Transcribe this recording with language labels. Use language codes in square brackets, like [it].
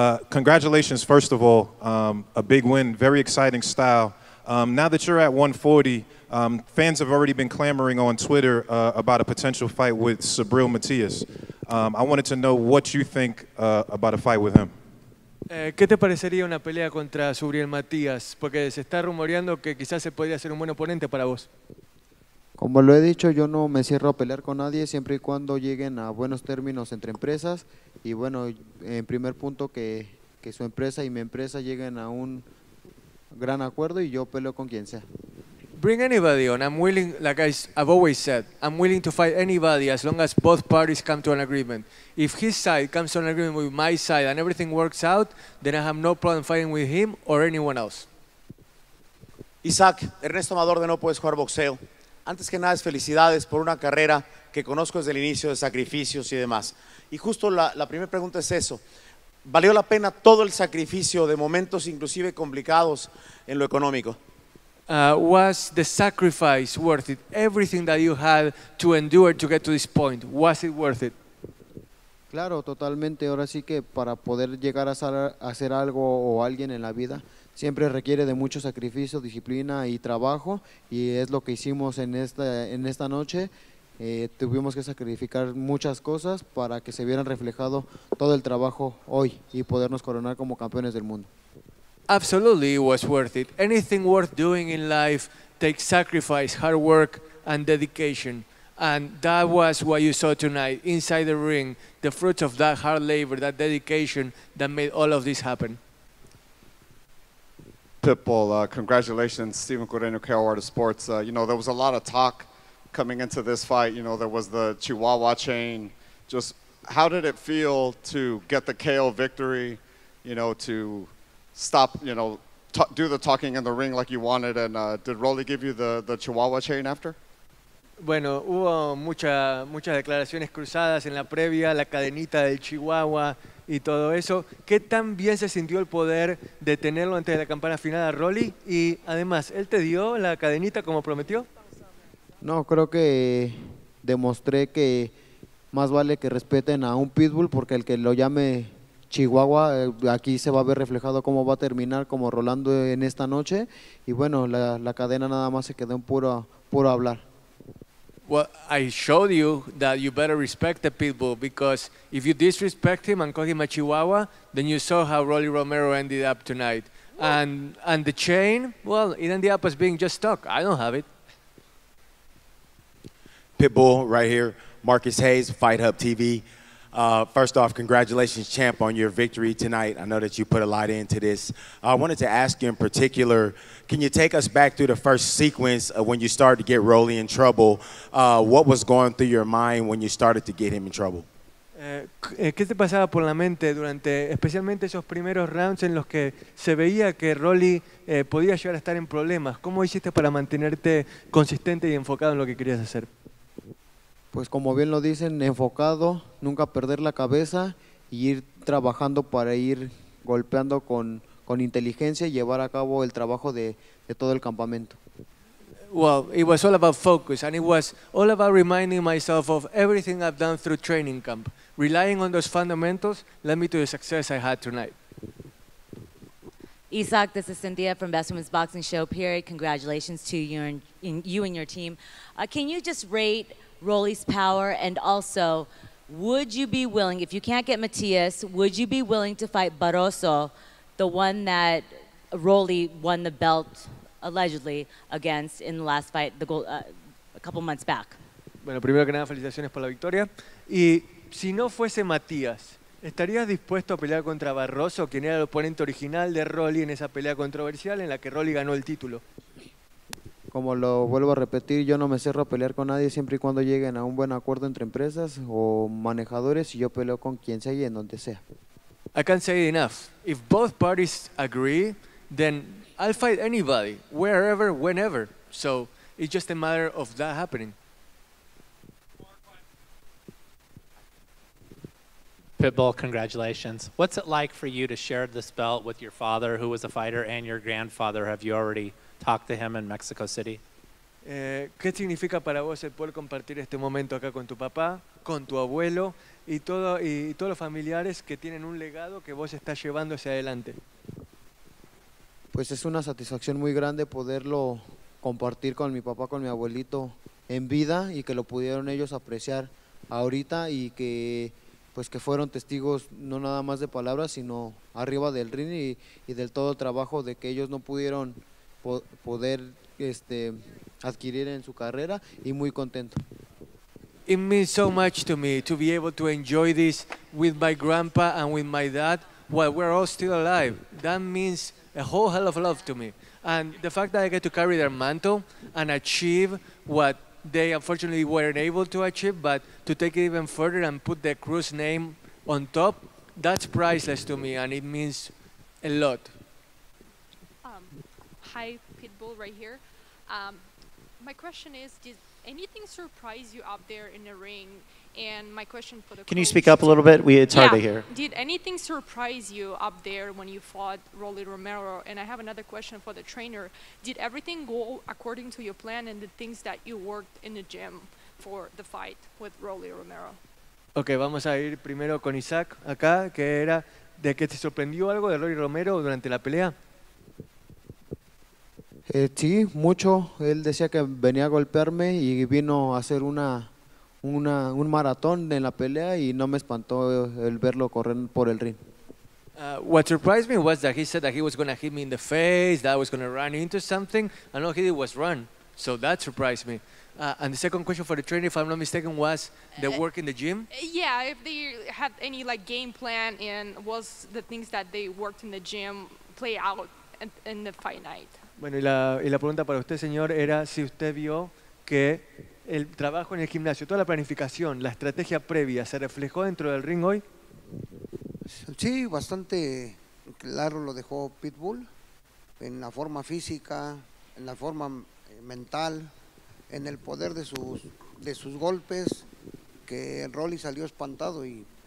[en] Congratulations, first of all. A big win, very exciting style. Now that you're at 140, fans have already been clamoring on Twitter about a potential fight with Sabril Matias. I wanted to know what you think about a fight with him. [es] ¿Qué te parecería una pelea contra Sabril Matias? Porque se está rumoreando que quizás se podría ser un buen oponente para vos. Como lo he dicho, yo no me cierro a pelear con nadie siempre y cuando lleguen a buenos términos entre empresas. Y bueno, en primer punto, que su empresa y mi empresa lleguen a un gran acuerdo y yo peleo con quien sea. [en] Bring anybody on. I'm willing, like I've always said, I'm willing to fight anybody as long as both parties come to an agreement. If his side comes to an agreement with my side and everything works out, then I have no problem fighting with him or anyone else. [es] Isak, Ernesto Amador de No Puedes Jugar Boxeo. Antes que nada, felicidades por una carrera que conozco desde el inicio, de sacrificios y demás. Y justo la primera pregunta es eso. ¿Valió la pena todo el sacrificio de momentos inclusive complicados en lo económico? [en] Was the sacrifice worth it? Everything that you had to endure to get to this point, was it worth it? [es] Claro, totalmente. Ahora sí que para poder llegar a hacer algo o alguien en la vida, siempre requiere de mucho sacrificio, disciplina y trabajo. Y es lo que hicimos en esta noche. Tuvimos que sacrificar muchas cosas para que se vieran reflejado todo el trabajo hoy y podernos coronar como campeones del mundo. [en] Absolutely, it was worth it. Anything worth doing in life takes sacrifice, hard work, and dedication. And that was what you saw tonight inside the ring, the fruits of that hard labor, that dedication that made all of this happen. Pitbull, congratulations. Steven Cordeno, KOR Art of Sports. You know, there was a lot of talk coming into this fight. You know, there was the Chihuahua chain. Just how did it feel to get the KO victory, you know, to stop, you know, do the talking in the ring like you wanted, and did Rolly give you the Chihuahua chain after? [es] Bueno, hubo muchas declaraciones cruzadas en la previa, la cadenita del Chihuahua y todo eso. ¿Qué tan bien se sintió el poder de tenerlo antes de la campana final a Rolly? Y además, ¿él te dio la cadenita como prometió? No, creo que demostré que más vale que respeten a un pitbull, porque el que lo llame Chihuahua, aquí se va a ver reflejado cómo va a terminar como Rolando en esta noche. Y bueno, la cadena nada más se quedó en puro hablar. [en] Well, I showed you that you better respect the pitbull, because if you disrespect him and call him a Chihuahua, then you saw how Rolly Romero ended up tonight. And the chain, well, it ended up as being just stuck. I don't have it. Pitbull right here, Marcus Hayes, Fight Hub TV. First off, congratulations, champ, on your victory tonight. I know that you put a lot into this. I wanted to ask you in particular, can you take us back through the first sequence of when you started to get Rolly in trouble? What was going through your mind when you started to get him in trouble? [es] ¿Qué te pasaba por la mente durante especialmente esos primeros rounds en los que se veía que Rolly podía llegar a estar en problemas? ¿Cómo hiciste para mantenerte consistente y enfocado en lo que querías hacer? Pues como bien lo dicen, enfocado, nunca perder la cabeza y ir trabajando para ir golpeando con inteligencia y llevar a cabo el trabajo de todo el campamento. [en] Well, it was all about focus, and it was all about reminding myself of everything I've done through training camp. Relying on those fundamentals led me to the success I had tonight. Isaac, this is Cynthia from Best Women's Boxing Show, period. Congratulations to you and, you and your team. Can you just rate Rolly's power, and also, would you be willing, if you can't get Matias, would you be willing to fight Barroso, the one that Rolly won the belt, allegedly, against in the last fight, the gold, a couple months back? [es] Bueno, primero que nada, felicitaciones por la victoria. Y si no fuese Matias, ¿estarías dispuesto a pelear contra Barroso, quien era el oponente original de Rolly en esa pelea controversial en la que Rolly ganó el título? Como lo vuelvo a repetir, yo no me cierro a pelear con nadie siempre y cuando lleguen a un buen acuerdo entre empresas o manejadores, y yo peleo con quien sea y en donde sea. [en] I can't say it enough. If both parties agree, then I'll fight anybody, wherever, whenever. So it's just a matter of that happening. Pitbull, congratulations. What's it like for you to share this belt with your father, who was a fighter, and your grandfather? Have you already talk to him in Mexico City? [es] ¿Qué significa para vos el poder compartir este momento acá con tu papá, con tu abuelo y todo y todos los familiares que tienen un legado que vos estás llevando hacia adelante? Pues es una satisfacción muy grande poderlo compartir con mi papá, con mi abuelito en vida, y que lo pudieron ellos apreciar ahorita, y que pues que fueron testigos no nada más de palabras, sino arriba del ring y del todo el trabajo de que ellos no pudieron poder adquirir en su carrera, y muy contento. [en] It means so much to me to be able to enjoy this with my grandpa and with my dad while we're all still alive. That means a whole hell of a lot to me. And the fact that I get to carry their mantle and achieve what they unfortunately weren't able to achieve, but to take it even further and put the Cruz name on top, that's priceless to me, and it means a lot. Hi, Pitbull right here. My question is, did anything surprise you up there in the ring? And my question for the coach... Can you speak up a little bit? It's hard to hear. Did anything surprise you up there when you fought Rolly Romero? And I have another question for the trainer. Did everything go according to your plan and the things that you worked in the gym for the fight with Rolly Romero? [es] Okay, vamos a ir primero con Isaac acá, que era de que te sorprendió algo de Rolly Romero durante la pelea. Sí, mucho. Él decía que venía a golpearme y vino a hacer un maratón en la pelea, y no me espantó el verlo correr por el ring. [en] What surprised me was that he said that he was going to hit me in the face, that I was going to run into something, and all he did was run. So that surprised me. And the second question for the trainer, if I'm not mistaken, was the work in the gym? Yeah, if they had any like game plan, and was the things that they worked in the gym play out in the fight night? [es] Bueno, y la pregunta para usted, señor, era si usted vio que el trabajo en el gimnasio, toda la planificación, la estrategia previa, ¿se reflejó dentro del ring hoy? Sí, bastante claro lo dejó Pitbull, en la forma física, en la forma mental, en el poder de sus golpes, que Rolly salió espantado y